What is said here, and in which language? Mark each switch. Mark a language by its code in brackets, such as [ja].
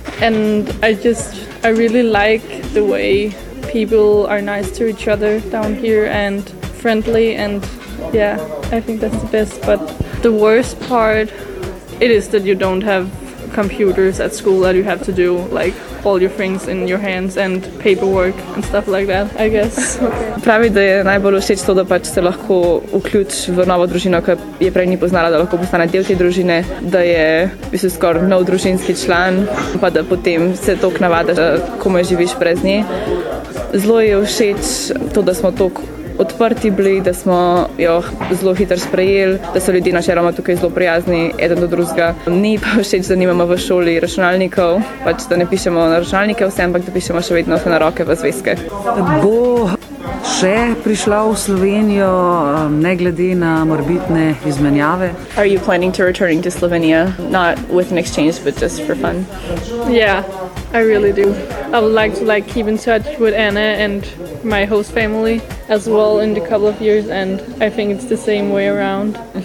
[en] And I really like the way people are nice to each other down here and friendly, and yeah, I think that's the best. But the worst part, it is that you don't have computers at school, that you have to do like all your things in your hands and paperwork and stuff like that, I guess. Okay. [sl] Pravi, da je najbolj všeč to, da pač se lahko vključ v novo družino, ki je prej ni poznala, da lahko postane del te družine, da je skoraj nov družinski član, pa da potem se toliko navadaš, da komaj živiš brez nje. Zelo je všeč to, da smo toliko odprti bili, da smo jo zelo hitro sprejeli, da so ljudje načeloma tukaj zelo prijazni, eden do drugega. Ni pa všeč, da nimamo v šoli računalnikov, pač da ne pišemo na računalnike vse, ampak da pišemo še vedno vse na roke v zvezke. Bo še prišla v Slovenijo, ne glede na morbitne izmenjave? [en] Are you planning to return to Slovenia? Not with an exchange, but just for fun? Yeah, I really do. I would like to like keep in touch with Anna and my host family as well in a couple of years, and I think it's the same way around.